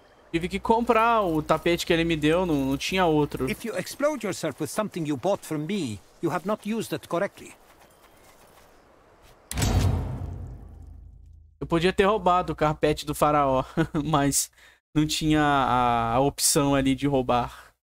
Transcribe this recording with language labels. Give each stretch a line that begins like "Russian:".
Portuguese: Tive que comprar o tapete que ele me deu, não tinha outro.
English: If you explode yourself with something you bought from me, you have not used it correctly.
Portuguese: Eu podia ter roubado o carpete do faraó, mas não tinha a opção ali de roubar.